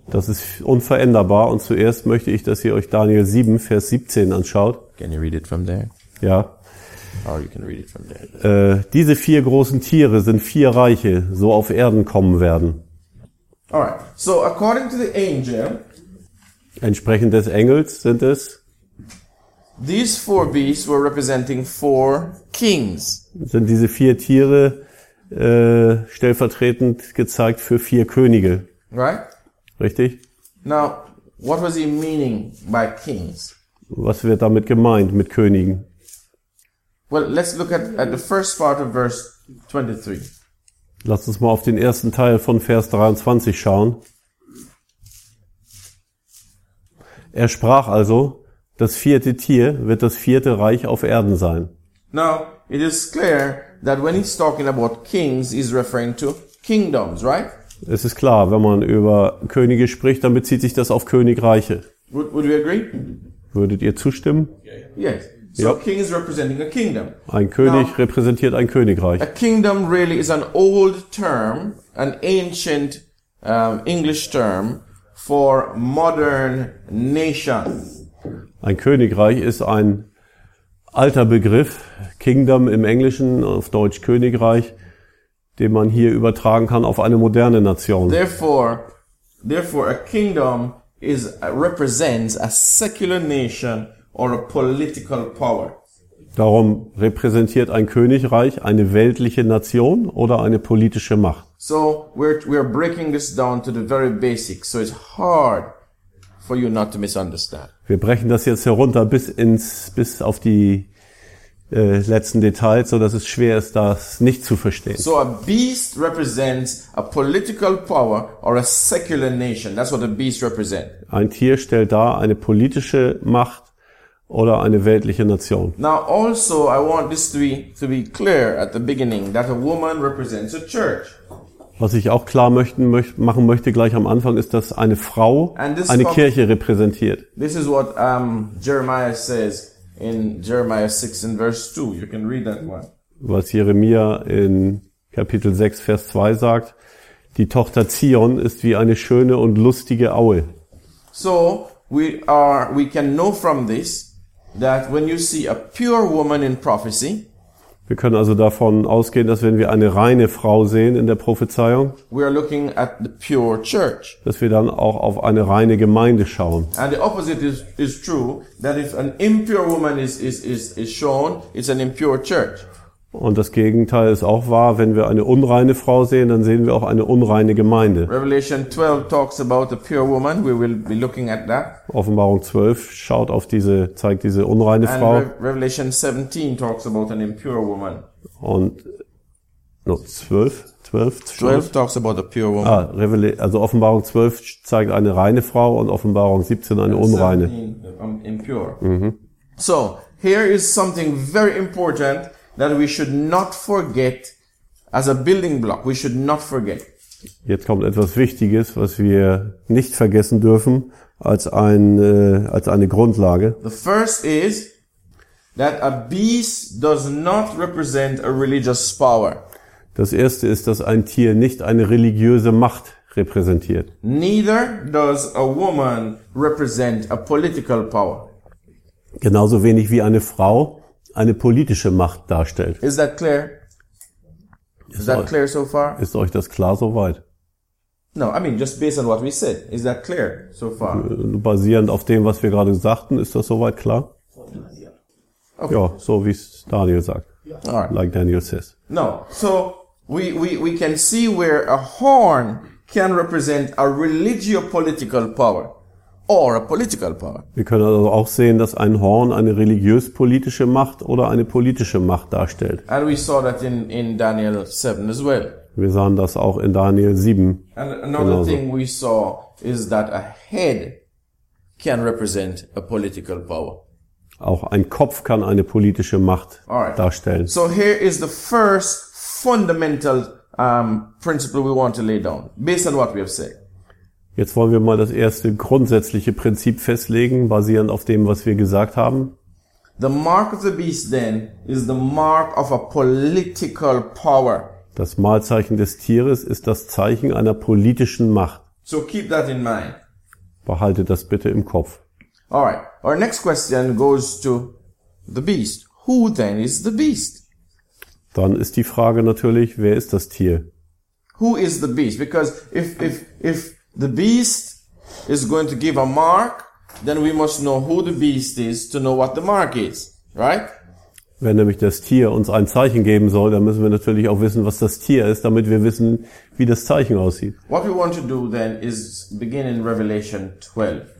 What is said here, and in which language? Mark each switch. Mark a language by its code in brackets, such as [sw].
[de] Das ist unveränderbar. Und zuerst möchte ich, dass ihr euch Daniel 7, Vers 17 anschaut. [en] Can you read it from there? [de] Ja. [en] Or you can read it from there. [de] Diese vier großen Tiere sind vier Reiche, so auf Erden kommen werden. [en] Alright. So, according to the angel. [de] Entsprechend des Engels sind es. [en] These four beasts were representing four kings. [de] Sind diese vier Tiere stellvertretend gezeigt für vier Könige? [en] Right? [de] Richtig? [en] Now, what was he meaning by kings? [de] Was wird damit gemeint mit Königen? [en] Well, let's look at the first part of verse 23. [de] Lass uns mal auf den ersten Teil von Vers 23 schauen. Er sprach also: Das vierte Tier wird das vierte Reich auf Erden sein. [en] Now, it is clear that when he's talking about kings, he's referring to kingdoms, right? [de] Es ist klar, wenn man über Könige spricht, dann bezieht sich das auf Königreiche. [en] Would we agree? [de] Würdet ihr zustimmen? [en] Yes. So yep. King is representing a kingdom. [de] Ein König [en] Now, [de] repräsentiert ein Königreich. [en] A kingdom really is an old term, an ancient English term for modern nation. [de] Ein Königreich ist ein alter Begriff, Kingdom im Englischen, auf Deutsch Königreich, den man hier übertragen kann auf eine moderne Nation. [en] Therefore a kingdom is represents a secular nation or a political power. [de] Darum repräsentiert ein Königreich eine weltliche Nation oder eine politische Macht. [en] So we're breaking this down to the very basics, so it's hard for you not to misunderstand. [de] Wir brechen das jetzt herunter bis auf die letzten Details, so dass es schwer ist, das nicht zu verstehen. [en] So a beast represents a political power or a secular nation. That's what a beast represents. [de] Ein Tier stellt dar eine politische Macht oder eine weltliche Nation. [en] Now also I want this to be clear at the beginning that a woman represents a church. [de] Was ich auch klar machen möchte gleich am Anfang, ist, dass eine Frau eine Kirche repräsentiert. [en] This is what Jeremiah says in Jeremiah 6 in verse 2. You can read that one. [de] Was Jeremia in Kapitel 6 Vers 2 sagt, die Tochter Zion ist wie eine schöne und lustige Aue. [en] So we can know from this that when you see a pure woman in prophecy, [de] Wir können also davon ausgehen, dass wenn wir eine reine Frau sehen in der Prophezeiung, [en] we are looking at the pure church. [de] Dass wir dann auch auf eine reine Gemeinde schauen. [en] And the opposite is true, that if an impure woman is shown, it's an impure church. [de] Und das Gegenteil ist auch wahr, wenn wir eine unreine Frau sehen, dann sehen wir auch eine unreine Gemeinde. [en] Revelation 12 talks about a pure woman. We will be looking at that. [de] Offenbarung 12 schaut auf diese, zeigt diese unreine [en] and [de] Frau. [en] Revelation 17 talks about an impure woman. [de] Und [en] no, [de] 12? 12? [en] 12 talks about a pure woman. [de] Ah, also Offenbarung 12 zeigt eine reine Frau und Offenbarung 17 eine [en] and [de] unreine. [en] 17, impure. So, here is something very important that we should not forget as a building block. We should not forget. [de] Jetzt kommt etwas Wichtiges, was wir nicht vergessen dürfen als eine Grundlage. [en] The first is that a beast does not represent a religious power. [de] Das erste ist, dass ein Tier nicht eine religiöse Macht repräsentiert. [en] Neither does a woman represent a political power. [de] Genauso wenig wie eine Frau eine politische Macht darstellt. [en] Is that clear? Is that clear so far? [de] Ist euch das klar soweit? [en] No, I mean just based on what we said. Is that clear so far? [de] Basierend auf dem, was wir gerade sagten, ist das soweit klar? Okay. Ja, so wie es Daniel sagt. [en] All right. Like Daniel says. No, so we can see where a horn can represent a religio-political power. Or a political power. [de] Wir können also auch sehen, dass ein Horn eine religiös-politische Macht oder eine politische Macht darstellt. [en] And we saw that in Daniel 7 as well. [de] Wir sahen das auch in Daniel 7. [en] And another [de] genauso. [en] Thing we saw is that a head can represent a political power. [de] Auch ein Kopf kann eine politische Macht [en] Alright. [de] darstellen. [en] So here is the first fundamental principle we want to lay down, based on what we have said. [de] Jetzt wollen wir mal das erste grundsätzliche Prinzip festlegen, basierend auf dem, was wir gesagt haben. [en] The mark of the beast then is the mark of a political power. [de] Das Malzeichen des Tieres ist das Zeichen einer politischen Macht. [en] So keep that in mind. [de] Behalte das bitte im Kopf. [en] All right. Our next question goes to the beast. Who then is the beast? [de] Dann ist die Frage natürlich, wer ist das Tier? [en] Who is the beast? Because if the beast is going to give a mark, then we must know who the beast is to know what the mark is, right? [de] Wenn nämlich das Tier uns ein Zeichen geben soll, dann müssen wir natürlich auch wissen, was das Tier ist, damit wir wissen, wie das Zeichen aussieht. [en] What we want to do then is begin in Revelation 12.